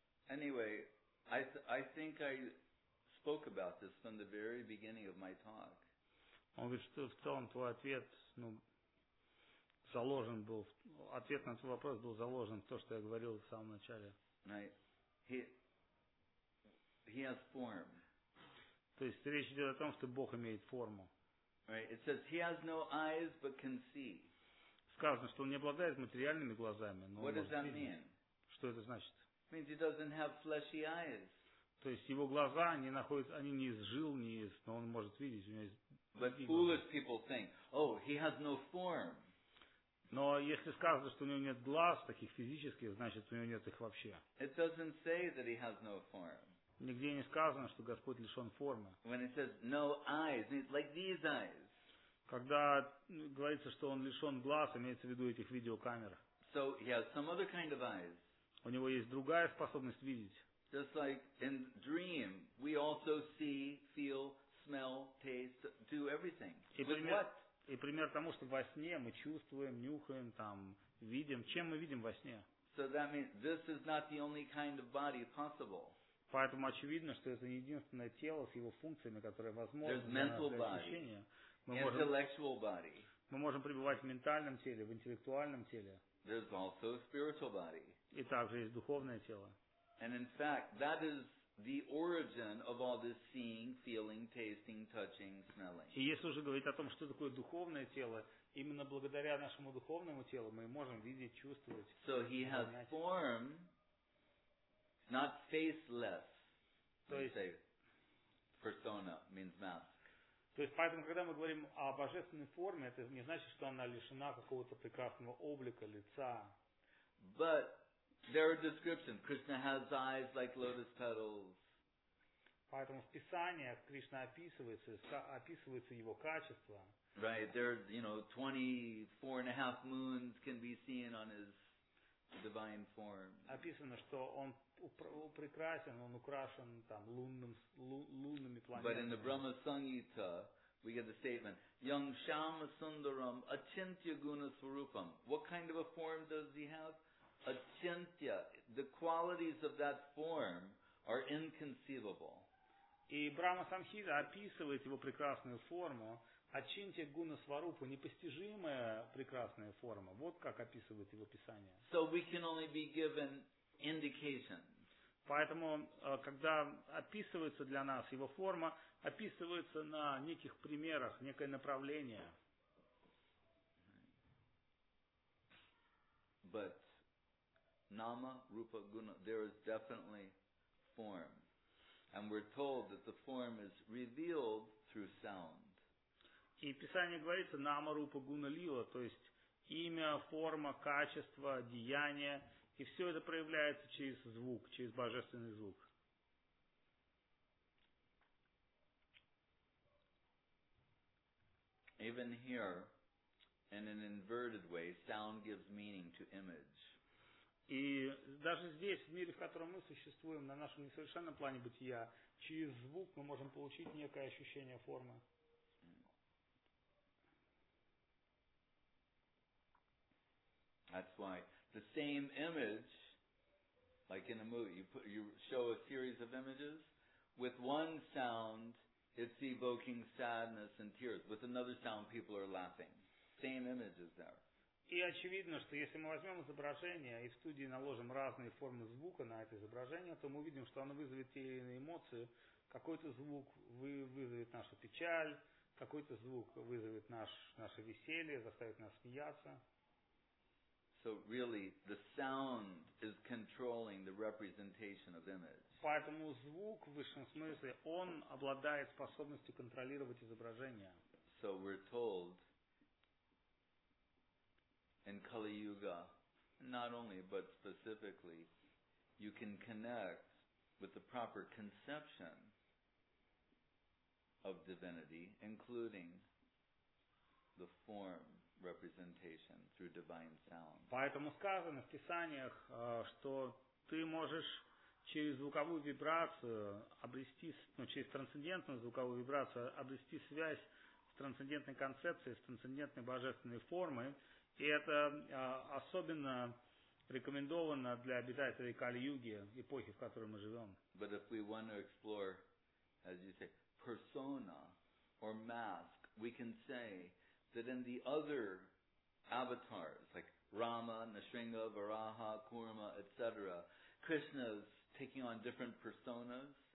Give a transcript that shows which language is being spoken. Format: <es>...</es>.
<en>Anyway, I think I spoke about this from the very beginning of my talk.</en> <ru>Он говорит, что в целом твой ответ, ну, заложен был, ответ на твой вопрос был заложен в то, что я говорил в самом начале.</ru> <en>Right. He has form.</en> <ru>То есть речь идет о том, что Бог имеет форму.</ru> <en>Right. It says he has no eyes but can see.</en> <ru>Сказано, что он не обладает материальными глазами, но</ru> <en>what does that mean?</en> <ru>Что это значит?</ru> <en>It means he doesn't have fleshy eyes.</en> <ru>То есть его глаза не находятся, они не из жил, не из, но он может видеть.</ru> <en>But foolish people think, oh, he has no form.</en> <ru>Но если сказано, что у него нет глаз, таких физических, значит, у него нет их вообще.</ru> <en>It doesn't say that he has no form.</en> <ru>Нигде не сказано, что Господь лишен формы.</ru> <en>When it says no eyes, it's like these eyes.</en> <ru>Когда говорится, что он лишен глаз, имеется в виду этих видеокамер.</ru> <en>So he has some other kind of eyes.</en> <ru>У него есть другая способность видеть.</ru> <en>Just like in dream, we also see, feel, smell, taste, do everything.</en> <ru>И пример тому, что во сне мы чувствуем, нюхаем, там, видим. Чем мы видим во сне?</ru> <en>So that means this is not the only kind of body possible.</en> <ru>Поэтому очевидно, что это не единственное тело с его функциями, которое возможно.</ru> <en>There's mental body. Intellectual body.</en> <ru>Мы можем пребывать в ментальном теле, в интеллектуальном теле.</ru> <en>There's also a spiritual body.</en> <ru>И также есть духовное тело.</ru> <en>And in fact, that is the origin of all this seeing, feeling, tasting, touching, smelling.</en> <ru>И если уже говорить о том, что такое духовное тело, именно благодаря нашему духовному телу мы можем видеть, чувствовать.</ru> <en>So he has form, not faceless.</en> <ru>То есть,</ru> <en>say, persona means mask.</en> <ru>То есть, поэтому, когда мы говорим о божественной форме, это не значит, что она лишена какого-то прекрасного облика, лица.</ru> <en>But there are descriptions. Krishna has eyes like lotus petals.</en> <ru>Поэтому в Писании Кришна описывается его качество.</ru> <en>Right, there, you know, 24 and a half moons can be seen on his divine form.</en> <ru>Описано, что он прекрасен, он украшен там лунными планетами.</ru> <en>But in the Brahma Sangita, we get the statement,</en> <sa>Yang Shama Sundaram Achintya Guna Swarupam.</sa> <en>What kind of a form does he have? Achintya. The qualities of that form are inconceivable.</en> <ru>И Брахма Самхита описывает его прекрасную форму, Ачинтья Гуна Сварупа, непостижимая прекрасная форма. Вот как описывает его Писание.</ru> <en>So we can only be given indications.</en> <ru>Поэтому, когда описывается для нас его форма, описывается на неких примерах, некое направление.</ru> <en>But Nama, Rupa, Guna, there is definitely form. And we're told that the form is revealed through sound.</en> <ru>И Писание говорится «Нама, Рупа, Гуна, Лила», то есть имя, форма, качество, деяние. И все это проявляется через звук, через божественный звук.</ru> <en>Even here, in an inverted way, sound gives meaning to image.</en> <ru>И даже здесь, в мире, в котором мы существуем, на нашем несовершенном плане бытия, через звук мы можем получить некое ощущение формы.</ru> <en>That's why the same image, like in a movie, you show a series of images. With one sound, it's evoking sadness and tears. With another sound, people are laughing. Same image is there.</en> <ru>И очевидно, что если мы возьмем изображение и в студии наложим разные формы звука на это изображение, то мы увидим, что оно вызовет те или иные эмоции. Какой-то звук вызовет нашу печаль, какой-то звук вызовет наше веселье, заставит нас смеяться.</ru> <en>So really, the sound is controlling the representation of image.</en> <ru>Поэтому звук в высшем смысле он обладает способностью контролировать изображение.</ru> <en>So we're told in Kali Yuga, not only but specifically, you can connect with the proper conception of divinity, including the form. Representation through divine sound.</en> <ru>Поэтому сказано в Писаниях, что ты можешь через звуковую вибрацию обрести, ну, через трансцендентную звуковую вибрацию обрести связь с трансцендентной концепцией, с трансцендентной божественной формой. И это особенно рекомендовано для обитателей Кали-Юги, эпохи, в которой мы живем.</ru> <en>But if we want to explore, as you say, persona or mask, we can say that in the other avatars, like Rama, Nrisimha, Varaha, Kurma, etc., Krishna's taking on different personas.</en>